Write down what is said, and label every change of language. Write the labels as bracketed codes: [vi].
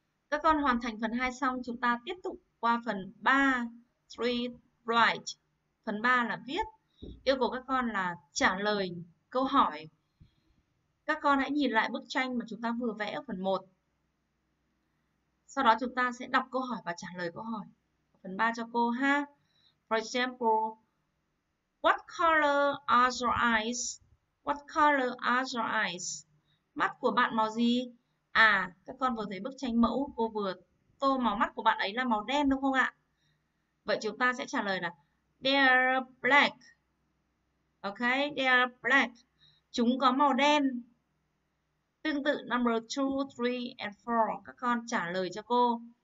[vi] Các con hoàn thành phần 2 xong, chúng ta tiếp tục qua phần 3. [en] Read, write. [vi] Phần 3 là viết. Yêu cầu các con là trả lời câu hỏi. Các con hãy nhìn lại bức tranh mà chúng ta vừa vẽ ở phần 1. Sau đó chúng ta sẽ đọc câu hỏi và trả lời câu hỏi. Phần 3 cho cô ha. [en] For example, what color are your eyes? What color are your eyes? [vi] Mắt của bạn màu gì? À, các con vừa thấy bức tranh mẫu, cô vừa tô màu mắt của bạn ấy là màu đen đúng không ạ? Vậy chúng ta sẽ trả lời là [en] they are black. Ok, they are black. [vi] Chúng có màu đen. Tương tự [en] number 2, 3 and 4, [vi] các con trả lời cho cô.